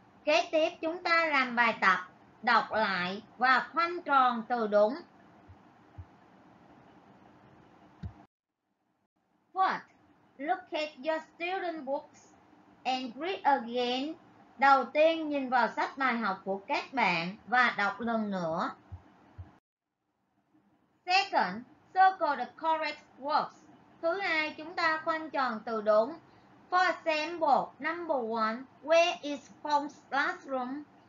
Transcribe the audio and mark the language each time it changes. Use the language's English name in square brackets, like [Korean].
[Vietnamese] Kế tiếp chúng ta làm bài tập đọc lại và khoanh tròn từ đúng. [English] What? Look at your student books and read again. [Vietnamese] Đầu tiên nhìn vào sách bài học của các bạn và đọc lần nữa. [English] Second, circle the correct words. [Vietnamese] Thứ hai, chúng ta khoanh tròn từ đúng. [English] For example, number one, where is Fong's classroom?